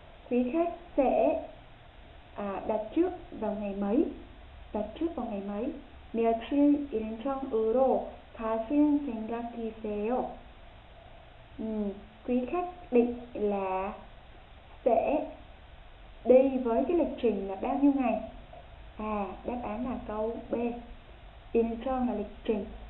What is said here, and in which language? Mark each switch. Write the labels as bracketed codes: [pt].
[vi] Quý khách sẽ đặt trước vào ngày mấy? Đặt trước vào ngày mấy? [ko] 며칠 일정으로 가실 생각이세요? [vi] Quý khách định là sẽ đi với cái lịch trình là bao nhiêu ngày? Đáp án là câu B. Incheon là lịch trình.